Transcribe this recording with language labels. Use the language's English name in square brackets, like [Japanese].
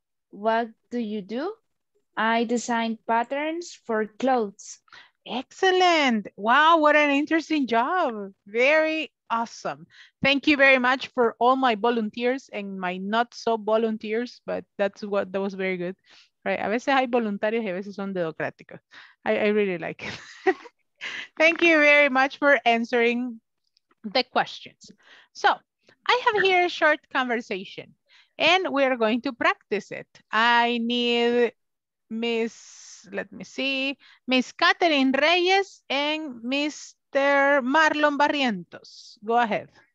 [English] What do you do? I design patterns for clothes. Excellent. Wow, what an interesting job. Very awesome. Thank you very much for all my volunteers and my not so volunteers, but that was very good. Right. [Spanish] A veces hay voluntarios y a veces son dedocráticos. [English] I really like it. Thank you very much for answering the questions. So I have here a short conversation and we are going to practice it. I need Miss Catherine Reyes and Mr. Marlon Barrientos. Go ahead.